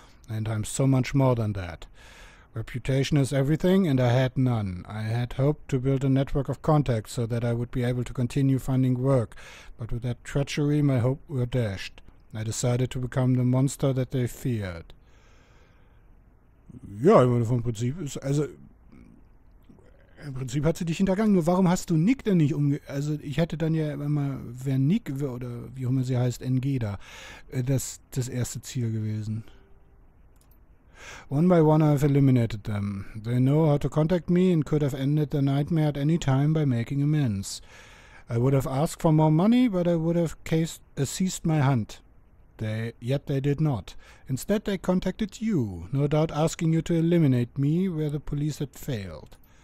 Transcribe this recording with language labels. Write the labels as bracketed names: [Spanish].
[English] And I'm so much more than that. Reputation is everything, and I had none. I had hoped to build a network of contacts so that I would be able to continue finding work, but with that treachery, my hope were dashed. I decided to become the monster that they feared. [German] Ja, ich meine, vom Prinzip ist, also, im Prinzip hat sie dich hintergangen, nur warum hast du Nick denn nicht also, ich hätte dann ja immer, wäre Nick, oder wie auch immer sie heißt, NG da, das erste Ziel gewesen. [English] One by one I have eliminated them. They know how to contact me and could have ended the nightmare at any time by making amends. I would have asked for more money, but I would have seized my hunt. Yet they did not. Instead, they contacted you, no doubt asking you to eliminate me where the police had failed.